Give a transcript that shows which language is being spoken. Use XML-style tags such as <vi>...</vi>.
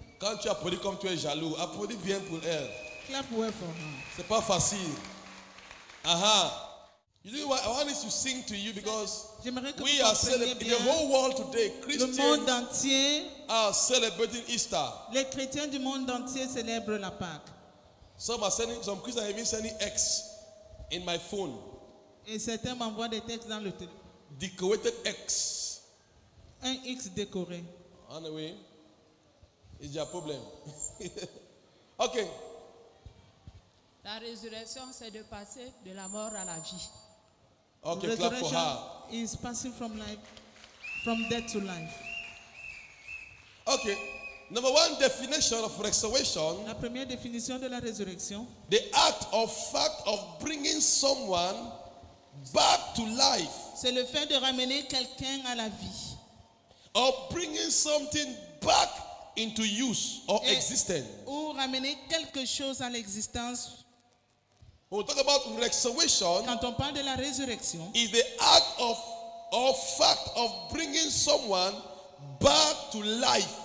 <fr>Quand tu applaudis comme tu es jaloux, applaudis bien pour elle. Clap pour elle pour moi. C'est pas facile.</fr> <en>You know what? I want to sing to you because we are celebrating the whole world today. Christians,</en> <fr>le monde entier,</fr> <en>are celebrating Easter.</en> <fr>Les chrétiens du monde entier célèbrent la Pâque.</fr> <en>Some Christians are even sending eggs in my phone.</en> <fr>Et certains m'envoient des textes dans le téléphone.</fr> <en>Decorated X.</en> <fr>Un X décoré.</fr> <en>Anyway, it's your problem. Okay.</en> <fr>La résurrection, c'est de passer de la mort à la vie.</fr> <en>Okay, clap for her. Is passing from life, from death to life. Okay. Number one definition of resurrection.</en> <fr>La première définition de la résurrection.</fr> <en>The act or fact of bringing someone back to life.</en> <fr>C'est le fait de ramener quelqu'un à la vie.</fr> <en>Or bringing something back into use or existence.</en> <fr>Ou ramener quelque chose à l'existence.</fr> <en>When we talk about resurrection,</en> <fr>quand on parle de la résurrection,</fr> <en>is the act of or fact of bringing someone back to life.</en>